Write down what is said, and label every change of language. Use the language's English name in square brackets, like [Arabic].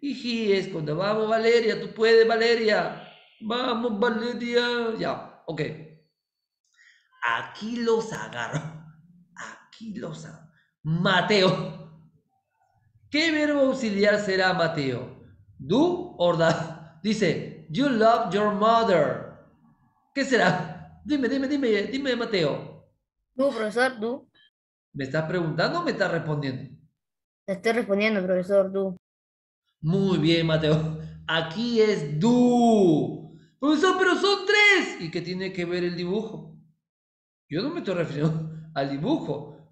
[Spanish] Y he es cuando vamos, Valeria, tú puedes, Valeria. Vamos, Valeria. Ya, ok. Aquí los agarro. Aquí los agarro. Mateo. ¿Qué verbo auxiliar será Mateo? ¿Do o das? Dice, [English] you love your mother. [Spanish] ¿Qué será? Dime, Mateo. No, profesor, tú. ¿Me estás preguntando o me estás respondiendo? Te estoy respondiendo, profesor, tú. Muy bien, Mateo. Aquí es tú. Profesor, pero son tres. ¿Y qué tiene que ver el dibujo? Yo no me estoy refiriendo al dibujo.